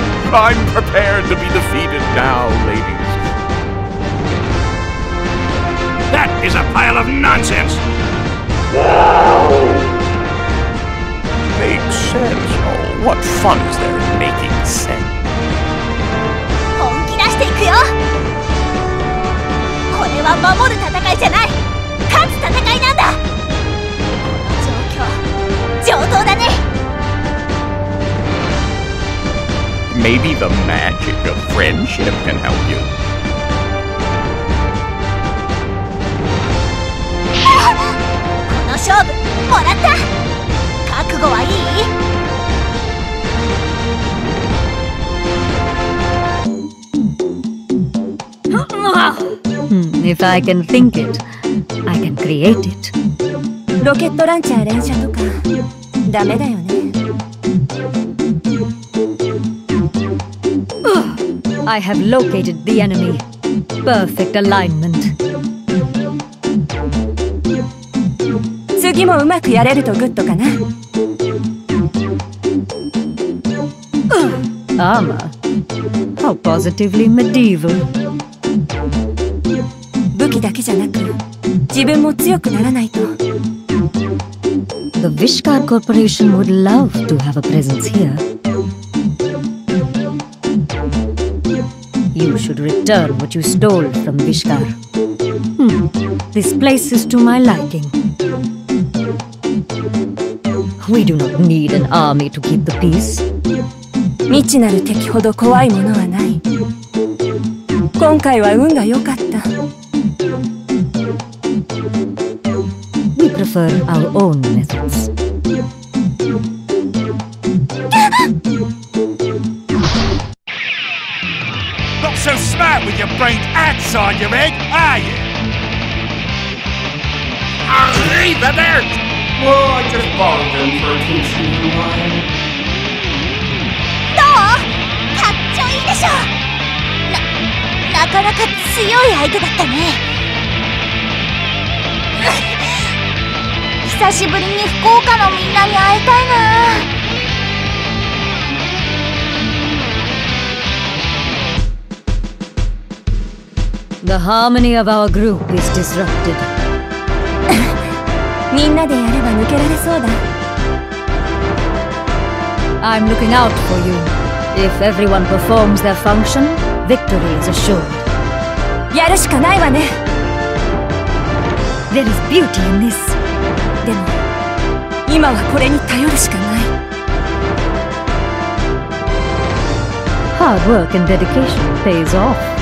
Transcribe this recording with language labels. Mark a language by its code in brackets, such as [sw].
[en] I'm prepared to be defeated now, ladies. That is a pile of nonsense! Wow! Makes sense, oh, what fun is there in making sense? [ja] 本気出していくよ! これは守る戦いじゃない! 勝つ戦いなんだ!この状況、上等だね! [en] Maybe the magic of friendship can help you. [ja] この勝負、もらった!覚悟はいい? [en] If I can think it, I can create it. [ja] ロケットランチャー連射とか、ダメだよね。 [en] I have located the enemy. Perfect alignment. [ja] 次もうまくやれるとグッドかな? [en] Armor? How positively medieval. [ja] 武器だけじゃなく、自分も強くならないと。 [en] The Vishkar Corporation would love to have a presence here. You should return what you stole from Vishkar. This place is to my liking. We do not need an army to keep the peace. [ja] 未知なる敵ほど怖いものはない。今回は運が良かった。 [en] We prefer our own methods. So smart with your brain outside your head, are you? Hey, but there! Well, I just bought them for attention to mine. [ja] どう?かっちょいいでしょ! なかなか強い相手だったね。久しぶりに福岡のみんなに会いたいな。 [en] The harmony of our group is disrupted. [ja] みんなでやれば抜けられそうだ。 [en] I'm looking out for you. If everyone performs their function, victory is assured. [ja] やるしかないわね。 [en] There is beauty in this. [ja] でも、今はこれに頼るしかない。 [en] Hard work and dedication pays off.